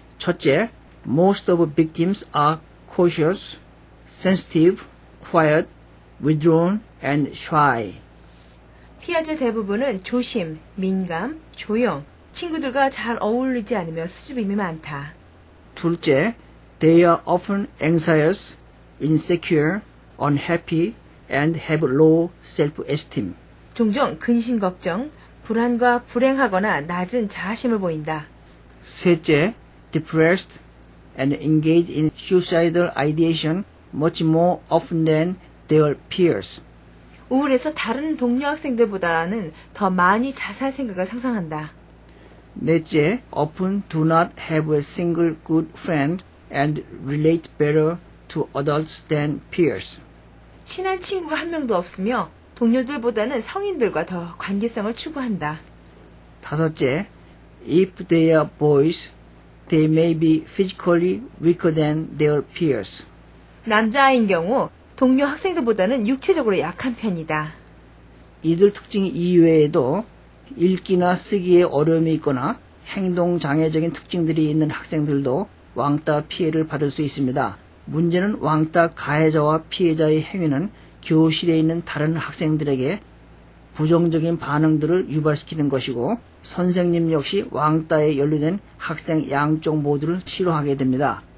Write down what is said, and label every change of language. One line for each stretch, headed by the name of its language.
English: 첫째, most of victims are cautious, sensitive, quiet, withdrawn, and shy.
Korean: 피해자 대부분은 조심, 민감, 조용, 친구들과 잘 어울리지 않으며 수줍음이 많다.
English: 둘째, they are often anxious, insecure, unhappy, and have low self-esteem.
Korean: 종종 근심 걱정, 불안과 불행하거나 낮은 자아심을 보인다.
English: 셋째, depressed and engage in suicidal ideation much more often than their peers.
Korean: 우울해서 다른 동료 학생들보다는 더 많이 자살 생각을 상상한다.
English: 넷째, often do not have a single good friend and relate better to adults than peers.
Korean: 친한 친구가 한 명도 없으며 동료들보다는 성인들과 더 관계성을 추구한다.
English: 다섯째, if they are boys, they may be physically weaker than their peers.
Korean: 남자아이인 경우 동료 학생들보다는 육체적으로 약한 편이다. 이들 특징 이외에도 읽기나 쓰기에 어려움이 있거나 행동장애적인 특징들이 있는 학생들도 왕따 피해를 받을 수 있습니다. 문제는 왕따 가해자와 피해자의 행위는 교실에 있는 다른 학생들에게 부정적인 반응들을 유발시키는 것이고 선생님 역시 왕따에 연루된 학생 양쪽 모두를 싫어하게 됩니다.